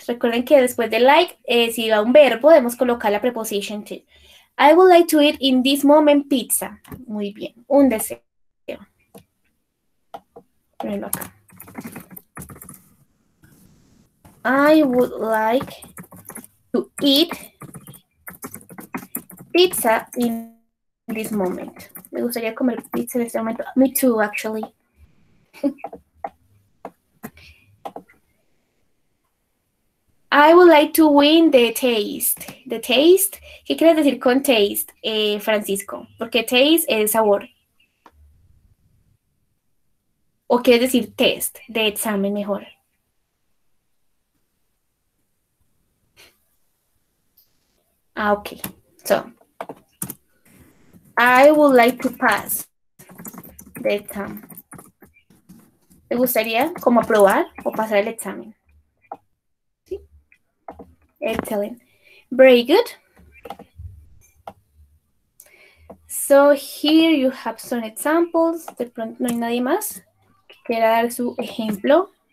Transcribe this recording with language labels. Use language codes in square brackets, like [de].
[es] Recuerden que después de like, si va un verbo, podemos colocar la preposición to. [en] I would like to eat in this moment pizza. [es] Muy bien. Un deseo. Ponelo acá. [en] I would like to eat pizza in this moment. [es] Me gustaría comer pizza en este momento. [en] Me too, actually. I would like to win the taste. The taste. [es] ¿Qué quieres decir con taste, Francisco? Porque taste es sabor. ¿O quieres decir test, de examen mejor? Ah, ok. [en] So, I would like to pass the exam. [es] ¿Te gustaría como aprobar o pasar el examen? [en] Excellent. Very good. So here you have some examples. [es] De pronto no hay nadie más que quiera dar su ejemplo.